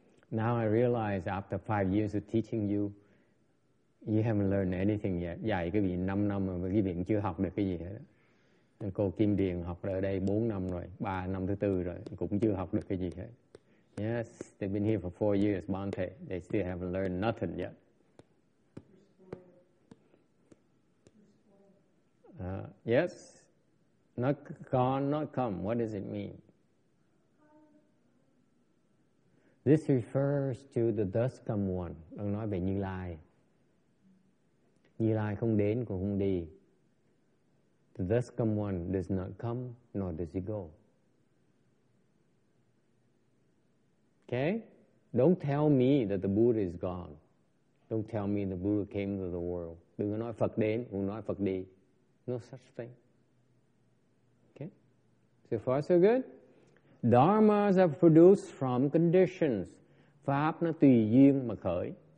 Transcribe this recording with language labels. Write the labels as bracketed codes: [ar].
[en] Now I realize after 5 years of teaching you, you haven't learned anything yet. [vi] Dạy cái vị 5 năm mà cái vị chưa học được cái gì hết. Cô Kim Điền học ở đây 4 năm rồi, 3 năm thứ 4 rồi, cũng chưa học được cái gì hết. [en] Yes, they've been here for 4 years, Bante. They still haven't learned nothing yet. Yes, not gone, not come. What does it mean? This refers to the thus come one. [vi] Đang nói về Như Lai. Như Lai không đến cũng không đi. [en] Thus come one does not come, nor does he go. Okay? Don't tell me that the Buddha is gone. Don't tell me the Buddha came to the world. [vi] Đừng nói Phật đến, đừng nói Phật đi. [en] No such thing. Okay? So far, so good? Dharmas are produced from conditions. [vi] Pháp nó tùy duyên mà khởi.